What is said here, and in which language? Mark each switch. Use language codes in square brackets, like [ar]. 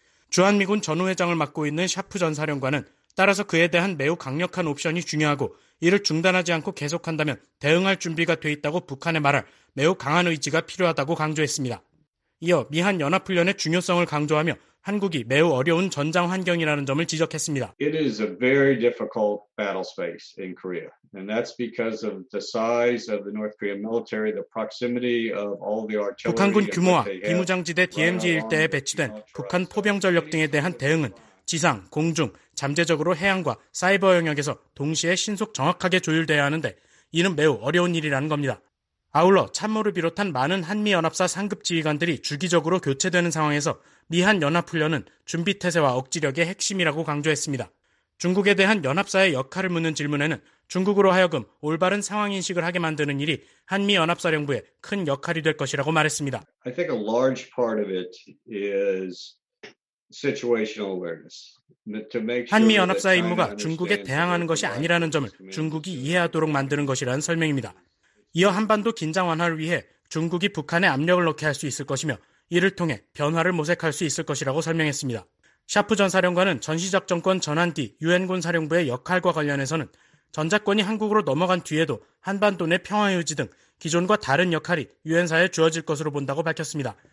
[ko] 주한미군 전우회장을 맡고 있는 샤프 전 사령관은 따라서 그에 대한 매우 강력한 옵션이 중요하고 이를 중단하지 않고 계속한다면 대응할 준비가 돼 있다고 북한에 말할 매우 강한 의지가 필요하다고 강조했습니다. 이어 미한 연합훈련의 중요성을 강조하며 한국이 매우 어려운 전장 환경이라는 점을 지적했습니다. [en] It is a very difficult battle space in Korea. And that's because of the size of the North Korean military, the proximity of all the artillery. [ko] 북한군 규모와 비무장지대 DMZ 일대에 배치된 북한 포병 전력 등에 대한 대응은 지상, 공중, 잠재적으로 해양과 사이버 영역에서 동시에 신속 정확하게 조율돼야 하는데 이는 매우 어려운 일이라는 겁니다. 아울러 참모를 비롯한 많은 한미연합사 상급 지휘관들이 주기적으로 교체되는 상황에서 미한연합훈련은 준비태세와 억지력의 핵심이라고 강조했습니다. 중국에 대한 연합사의 역할을 묻는 질문에는 중국으로 하여금 올바른 상황인식을 하게 만드는 일이 한미연합사령부의 큰 역할이 될 것이라고 말했습니다. [en] I think a large part of it is situational awareness. [ko] 한미연합사의 임무가 중국에 대항하는 것이 아니라는 점을 중국이 이해하도록 만드는 것이라는 설명입니다. 이어 한반도 긴장 완화를 위해 중국이 북한에 압력을 넣게 할 수 있을 것이며 이를 통해 변화를 모색할 수 있을 것이라고 설명했습니다. 샤프 전 사령관은 전시작전권 전환 뒤 유엔군 사령부의 역할과 관련해서는 전작권이 한국으로 넘어간 뒤에도 한반도 내 평화 유지 등 기존과 다른 역할이 유엔사에 주어질 것으로 본다고 밝혔습니다.